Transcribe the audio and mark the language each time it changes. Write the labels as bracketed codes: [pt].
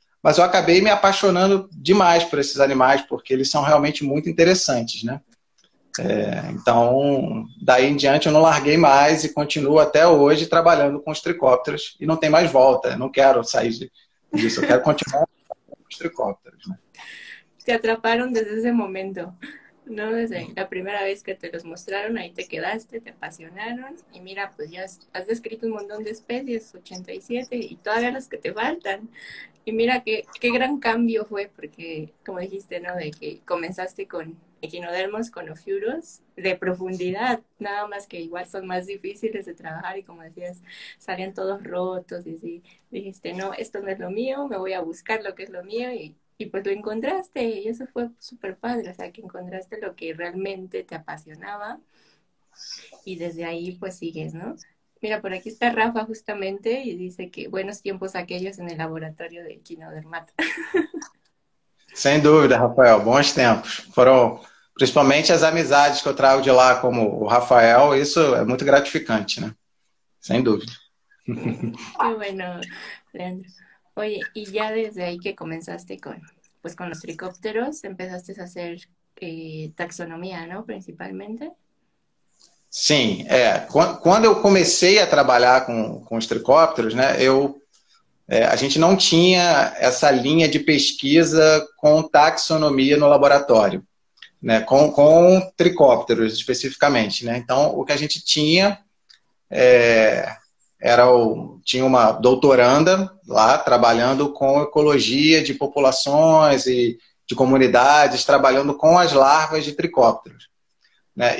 [pt] Mas eu acabei me apaixonando demais por esses animais, porque eles são realmente muito interessantes, né? Então, daí em diante eu não larguei mais e continuo até hoje trabalhando com os tricópteros e não tem mais volta, não quero sair disso, eu quero continuar com os tricópteros, né? [es] Te atraparon desde ese momento, ¿no? Desde la primera vez que te los mostraron, ahí te quedaste, te apasionaron y mira, pues ya has descrito un montón de especies, 87 y todavía las que te faltan. Y mira qué gran cambio fue porque, como dijiste, ¿no? De que comenzaste con Echinodermos, con Ophiuros, de profundidad, nada más que igual son más difíciles de trabajar y como decías, salían todos rotos y así, dijiste, no, esto no es lo mío, me voy a buscar lo que es lo mío y pues lo encontraste y eso fue súper padre, o sea, que encontraste lo que realmente te apasionaba y desde ahí pues sigues, ¿no? Mira, por aquí está Rafa justamente y dice que buenos tiempos aquellos en el laboratorio de Echinodermata. [pt] Sem dúvida, Rafael, bons tempos. Foram principalmente as amizades que eu trago de lá, como o Rafael, isso é muito gratificante, né? Sem dúvida. [es] Qué bueno, Leandro. Oye, y ya desde ahí que comenzaste pues con los tricópteros, empezaste a hacer taxonomía, ¿no? [pt] Principalmente. Sim, quando eu comecei a trabalhar com os tricópteros, né, a gente não tinha essa linha de pesquisa com taxonomia no laboratório, né? Com tricópteros especificamente, né? Então, o que a gente tinha tinha uma doutoranda lá trabalhando com ecologia de populações e de comunidades, trabalhando com as larvas de tricópteros, né?